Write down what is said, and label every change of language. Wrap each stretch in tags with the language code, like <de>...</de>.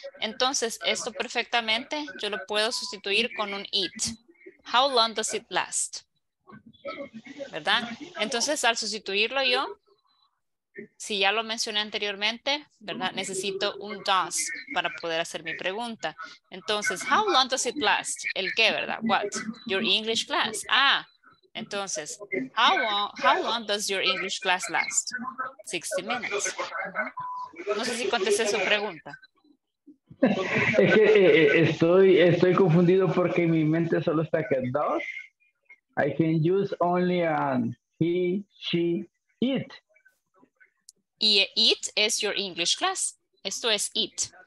<es>Entonces, esto perfectamente yo lo puedo sustituir con un it.</es> <en>How long does it last? ¿Verdad?</en> <es>Entonces, al sustituirlo yo, si ya lo mencioné anteriormente, ¿verdad? Necesito un does para poder hacer mi pregunta.</es> <en>Entonces, how long does it last?</en> <es>¿El qué, verdad?</es> <en>What? Your English class. Ah, entonces, how long does your English class last? 60 minutes.</en> <es>No sé si contesté su pregunta. Es que estoy confundido porque mi mente solo está que does.</es> <en>I can use only an he, she, it.</en> <es>Y it es</es> <en>your English class.</en> <es>Esto es it.</es>